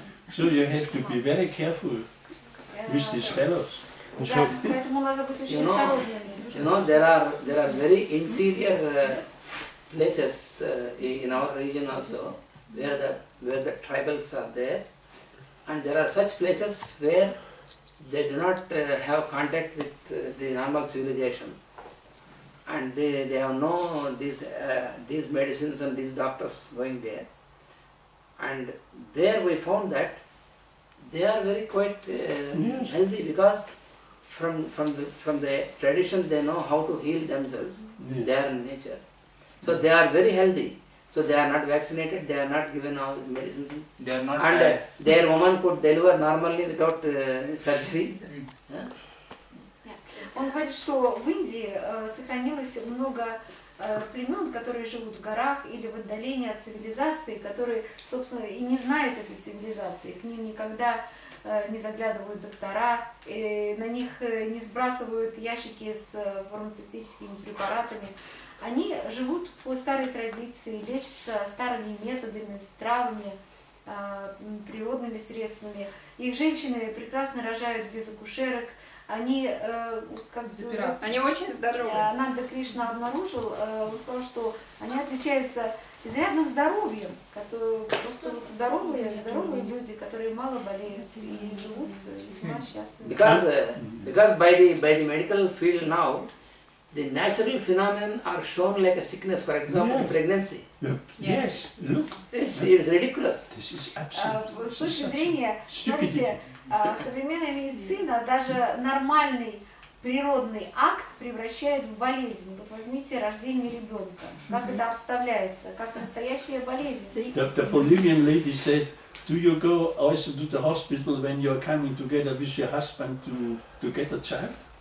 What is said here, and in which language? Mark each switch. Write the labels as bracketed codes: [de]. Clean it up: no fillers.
[en] so you have to be very careful with these fellows. [ru] Да, поэтому надо быть очень осторожными. [en] You know, there are very interior places in our region also, where the tribals are there, and there are such places where they do not have contact with the normal civilization, and they have no these medicines and these doctors going there, and there we found that they are very quite healthy because from the tradition they know how to heal themselves. Yes. They are in nature, so they are very healthy, so they are not vaccinated, they are not given all these medicines, they are not, and their woman could deliver normally without surgery. [ru] Он говорит, что в Индии сохранилось много племен, которые живут в горах или в отдалении от цивилизации, которые собственно и не знают этой цивилизации, к ним никогда не заглядывают доктора, на них не сбрасывают ящики с фармацевтическими препаратами. Они живут по старой традиции, лечатся старыми методами, с травами, природными средствами. Их женщины прекрасно рожают без акушерок. Они как бы... Они очень здоровы. Ананда Кришна обнаружил, он сказал, что они отличаются изрядным здоровьем, просто здоровые люди, которые мало болеют и живут весьма счастливы. [en] Because by the medical field now, the natural phenomena are shown like a sickness, for example, pregnancy. Yes, look. It's ridiculous. This is absolute. [ru] С точки зрения, знаете, современная медицина даже нормальный природный акт превращает в болезнь. Вот возьмите рождение ребенка, как это обставляется, как настоящая болезнь. [en] The Bolivian lady said, do you go also to the hospital when you are coming together with your husband to get a child?